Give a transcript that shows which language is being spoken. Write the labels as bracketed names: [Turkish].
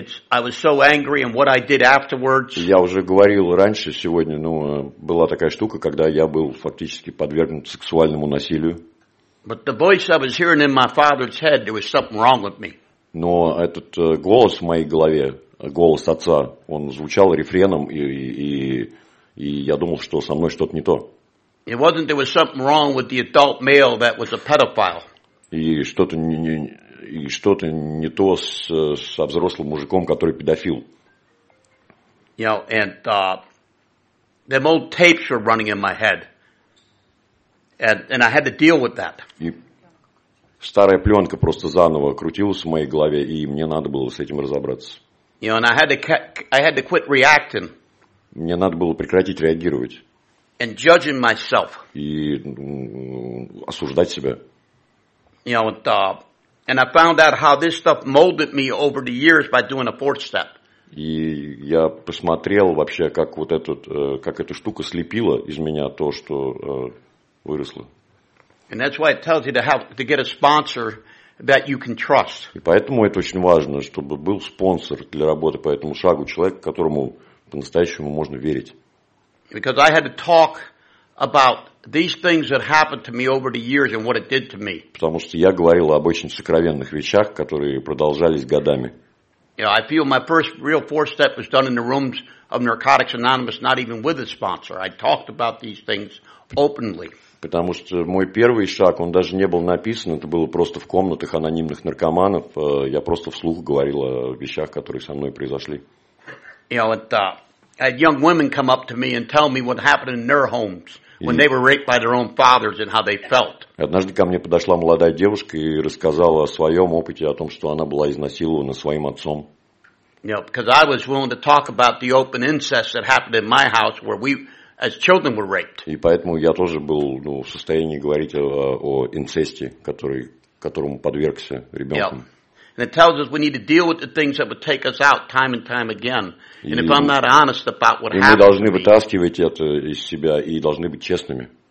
[English] I was so angry and what I did afterwards. [Russian] Я уже говорил раньше сегодня, ну, была такая штука, когда я был фактически подвергнут сексуальному насилию. [English] But the voice I was hearing in my father's head, there was something wrong with me. [Russian] Но этот голос в моей голове, голос отца, он звучал рефреном, и я думал, что со мной что-то не то. [English] It wasn't there was something wrong with the adult male that was a pedophile. [Russian] И что-то не то со взрослым мужиком, который педофил. [English] You know, and them old tapes were running in my head. And I had to deal with that. [Russian] Старая пленка просто заново крутилась в моей голове, и мне надо было с этим разобраться. [English] You know, and I had to quit reacting. [Russian] Мне надо было прекратить реагировать. [English] And judging myself. [Russian] И осуждать себя. [English] You know, and I found out how this stuff molded me over the years by doing a fourth step. [Russian] И я посмотрел вообще, как вот этот, как эта штука слепила из меня то, что выросло. [English] And that's why it tells you to get a sponsor that you can trust. [Russian] И поэтому это очень важно, чтобы был спонсор для работы по этому шагу, человек, которому по-настоящему можно верить. [English] Because I had to talk about these things that happened to me over the years and what it did to me. [Russian] Потому что я говорил об очень сокровенных вещах, которые продолжались годами. [English] You know, I feel my first real fourth step was done in the rooms of Narcotics Anonymous, not even with a sponsor. I talked about these things openly. [Russian] Потому что мой первый шаг, он даже не был написан, это было просто в комнатах анонимных наркоманов. Я просто вслух говорил о вещах, которые со мной произошли. [English] You know, had young women come up to me and tell me what happened in their homes when they were raped by their own fathers and how they felt. [Russian] Однажды ко мне подошла молодая девушка и рассказала о своем опыте, о том, что она была изнасилована своим отцом. [English] You know, because I was willing to talk about the open incest that happened in my house where we, as children, were raped. [Russian] И поэтому я тоже был, ну, в состоянии говорить о инцесте, которому подвергся ребенком. [English] You know. And it tells us we need to deal with the things that would take us out time and time again. And if I'm not honest about what happened, [Russian] мы должны вытаскивать это из себя и должны быть честными.